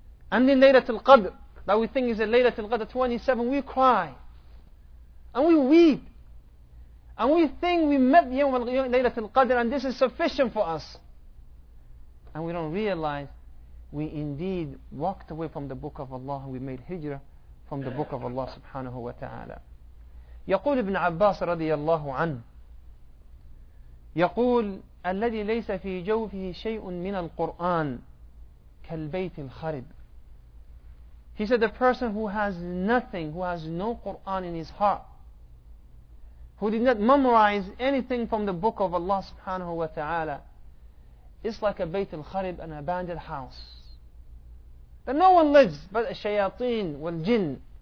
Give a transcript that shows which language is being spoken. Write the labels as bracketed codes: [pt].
[en] And in Laylatul Qadr, that we think is a Laylatul Qadr 27, we cry and we weep and we think we met Laylatul Qadr and this is sufficient for us. And we don't realize we indeed walked away from the book of Allah and we made hijrah from the book of Allah subhanahu wa ta'ala. [ar] يقول ابن عباس رضي الله عنه يقول الذي ليس في جوفه شيء من القرآن كالبيت الخرب. [en] He said the person who has nothing, who has no Quran in his heart, who did not memorize anything from the book of Allah subhanahu wa ta'ala, it's like a bayt al-kharib, an abandoned house that no one lives but shayateen wal jinn.